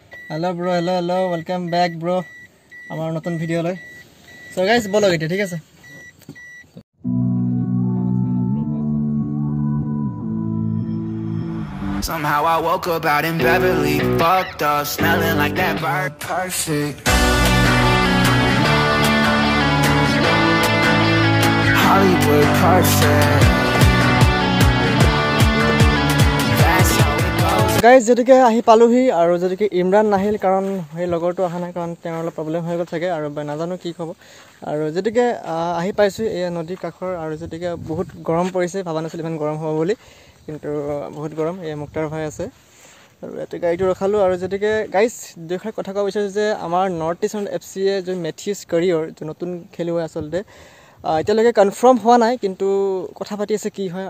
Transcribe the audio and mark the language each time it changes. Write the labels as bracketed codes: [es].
[as] Hello ব্ৰ, hello hello welcome back ব্ৰ আমাৰ নতুন ভিডিঅ'লৈ। চ' guys ব'লক এতিয়া ঠিক আছে [en] Somehow I woke up out in Beverly fucked up smelling like that bird perfect Hollywood perfect guys. [as] যেতিকে আহি পালোহি আৰু যেতিকে ইমৰাণ নাহিল কাৰণ সেই লগৰটো অহা নাই কাৰণ তেওঁৰ অলপ প্ৰব্লেম হৈ গ'ল চাগে আৰু নাজানো কি ক'ব। আৰু যেতিকে আহি পাইছোঁ এয়া নদীৰ কাষৰ আৰু যেতিকে বহুত গৰম পৰিছে, ভবা নাছিলোঁ ইমান গৰম হ'ব বুলি কিন্তু বহুত গৰম। এয়া মুক্তাৰ ভাই আছে আৰু ইয়াতে গাড়ীটো ৰখালোঁ। আৰু যেতিকে গাইজ দুয়োষাৰ কথা ক'ব বিচাৰিছোঁ যে আমাৰ নৰ্থ ইষ্ট এফ চিয়ে যোন মেথিউছ কেৰিয়াৰ যোন নতুন খেলুৱৈ আচলতে এতিয়ালৈকে কনফাৰ্ম হোৱা নাই কিন্তু কথা পাতি আছে কি হয়।